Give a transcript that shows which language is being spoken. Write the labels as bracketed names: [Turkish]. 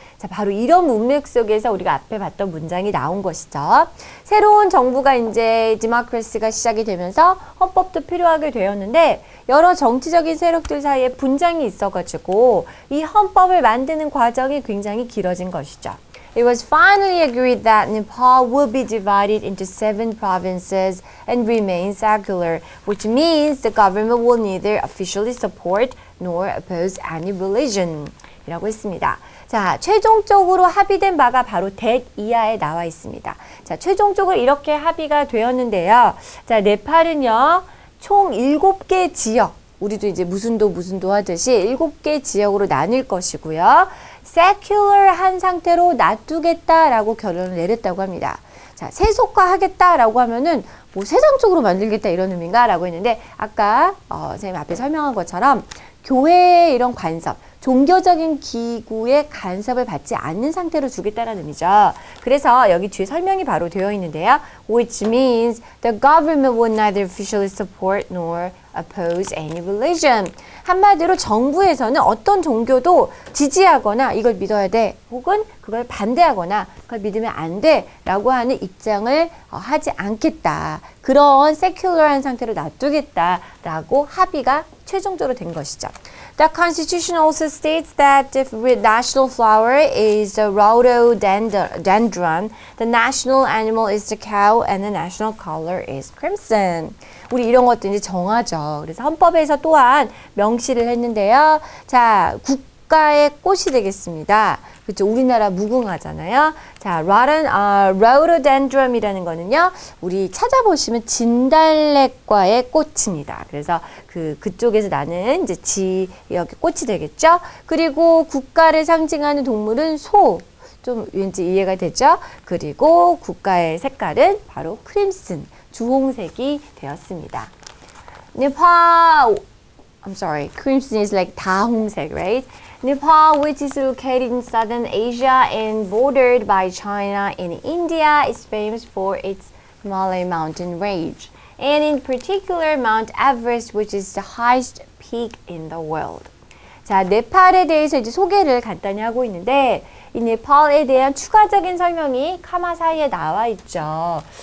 [Korean] 자, 바로 이런 문맥 속에서 우리가 앞에 봤던 문장이 나온 것이죠. 새로운 정부가 이제 democracy가 시작이 되면서 헌법도 필요하게 되었는데 여러 정치적인 세력들 사이에 분쟁이 있어가지고 이 헌법을 만드는 과정이 굉장히 길어진 것이죠. [English] It was finally agreed that Nepal will be divided into seven provinces and remain secular, which means the government will neither officially support nor oppose any religion. [Korean] 이라고 했습니다. 자, 최종적으로 합의된 바가 바로 that 이하에 나와 있습니다. 자, 최종적으로 이렇게 합의가 되었는데요. 자, 네팔은요, 총 7개 지역, 우리도 이제 무슨도 무슨도 하듯이 7개 지역으로 나눌 것이고요. secular 한 상태로 놔두겠다라고 결론을 내렸다고 합니다. 자, 세속화 하겠다라고 하면은 뭐 세상적으로 만들겠다 이런 의미인가? 라고 했는데, 아까, 선생님 앞에 설명한 것처럼 교회의 이런 관습, 종교적인 기구의 간섭을 받지 않는 상태로 주겠다라는 의미죠. 그래서 여기 뒤에 설명이 바로 되어 있는데요. [English] Which means the government would neither officially support nor oppose any religion. [Korean] 한마디로 정부에서는 어떤 종교도 지지하거나 이걸 믿어야 돼 혹은 그걸 반대하거나 그걸 믿으면 안 돼 라고 하는 입장을 하지 않겠다. 그런 세큘러한 상태로 놔두겠다라고 합의가 최종적으로 된 것이죠. [English] The constitution also states that the national flower is the rhododendron. The national animal is the cow and the national color is crimson. [Korean] 우리 이런 것도 이제 정하죠. 그래서 헌법에서 또한 명시를 했는데요. 자, 국가의 꽃이 되겠습니다. 그렇죠. 우리나라 무궁화잖아요. 자, rhododendron이라는 거는요. 우리 찾아보시면 진달래과의 꽃입니다. 그래서 그쪽에서 나는 이제 지역의 꽃이 되겠죠. 그리고 국가를 상징하는 동물은 소. 좀 왠지 이해가 되죠? 그리고 국가의 색깔은 바로 크림슨, 주홍색이 되었습니다. [English] Nepal I'm sorry. Crimson is like 다홍색, right? Nepal, which is located in southern Asia and bordered by China and India, is famous for its Himalayan mountain range. And in particular, Mount Everest, which is the highest peak in the world. [Korean] 자, 네팔에 대해서 이제 소개를 간단히 하고 있는데, 이 네팔에 대한 추가적인 설명이 카마 사이에 나와 있죠.